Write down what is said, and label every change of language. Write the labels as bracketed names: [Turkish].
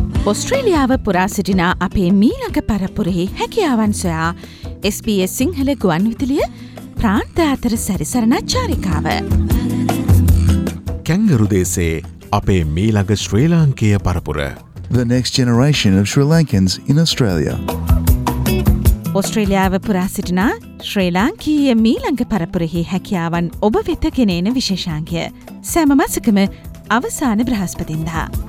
[Sinhala] ඔස්ට්‍රේලියාව පුරා සිටින අපේ මීළඟ පරපුරෙහි හැකියාවන් සොයා SBS සිංහල ගුවන්විදුලිය ප්‍රාන්ත අතර සැරිසරන චාරිකාව. කැංගරු දේශයේ අපේ මීළඟ ශ්‍රී ලාංකේය පරපුර. [English] The next generation of Sri Lankans in Australia. [Sinhala] ඔස්ට්‍රේලියාව පුරා සිටින ශ්‍රී ලාංකීය මීළඟ පරපුරෙහි හැකියාවන් ඔබ වෙත ගෙනෙන විශේෂාංගය. සෑම මාසිකම අවසාන බ්‍රහස්පතින්දා.